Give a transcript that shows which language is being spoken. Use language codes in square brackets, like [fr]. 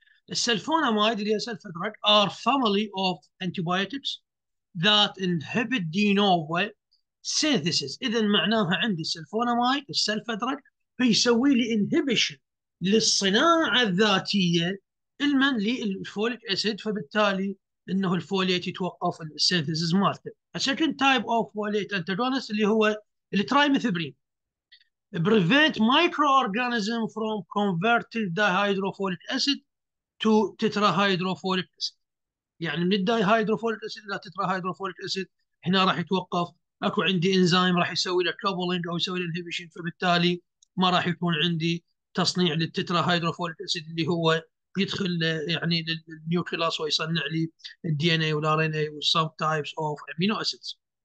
[ar] السلفوناميد اللي هي سلفا دراج [en] are family of antibiotics that inhibit de novo synthesis. [ar] اذا معناها عندي السلفوناميد السلفا دراج بيسوي لي inhibition للصناعه الذاتيه المن للفوليك اسيد، فبالتالي انه الفوليت يتوقف السينثيسيس مالته. [en] A second type of folate antagonist [ar] اللي هو الترايميثبرين [en] prevent microorganism from converting dihydrofolic acid to tetrahydrofolic acid. [ar] يعني من الدايهايدروفوليك اسيد الى تتراهايدروفوليك اسيد هنا راح يتوقف، اكو عندي انزيم راح يسوي له كوبلينج او يسوي له انهبيشن، فبالتالي ما راح يكون عندي تصنيع للتتراهايدروفوليك اسيد اللي هو يدخل يعني للنيوكليوس ويصنع لي الدي ان اي والار ان اي والسب تايبس اوف امينو اسيدز.